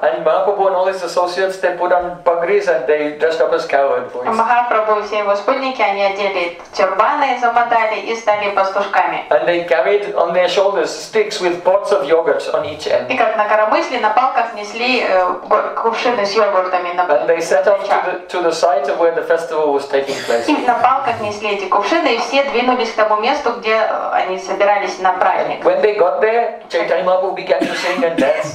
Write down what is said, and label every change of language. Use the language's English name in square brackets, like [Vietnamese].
[English] And Mahaprabhu and all his associates, they put on pagris and they dressed up as cowherd boys. [Russian] Махапрабху и все его спутники, они одели тюрбаны, замотали и стали пастушками. [English] And they carried on their shoulders sticks with pots of yogurt on each end. [Russian] И как на коромысле, на палках несли кувшины с йогуртами на плечах. [English] And they set off to the site of where the festival was taking place. [Russian] И на палках несли эти кувшины, и все двинулись к тому месту, где они собирались на праздник. [English] And when they got there, Chaitanya Mahaprabhu began to sing and dance.